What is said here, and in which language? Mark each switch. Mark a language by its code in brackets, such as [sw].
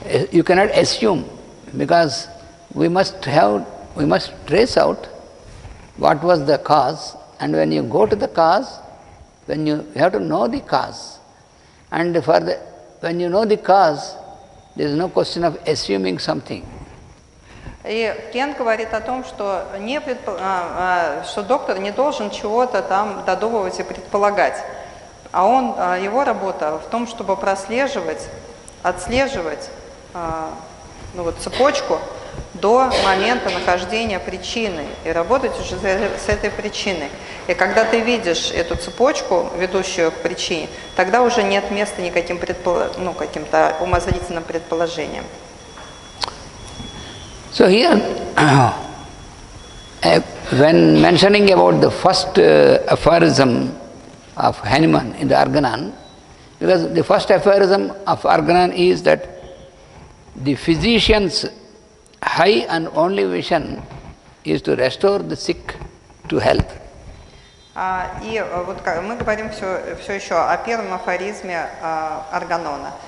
[en] You cannot assume, because we must trace out what was the cause. And when you go to the cause, you have to know the cause. And when you know the cause, there is no question of assuming something. [ru] И Кен говорит о том, что, не что доктор не должен чего-то там додумывать и предполагать. А он, его работа в том, чтобы прослеживать, отслеживать ну, вот, цепочку до момента нахождения причины и работать уже с этой причиной. И когда ты видишь эту цепочку, ведущую к причине, тогда уже нет места никаким ну, каким-то умозрительным предположениям. [en] So here, when mentioning about the first aphorism of Hanuman in the Arganon, because the first aphorism of Arganon is that the physician's high and only vision is to restore the sick to health. [ru] И вот мы говорим все еще о первом афоризме Арганона.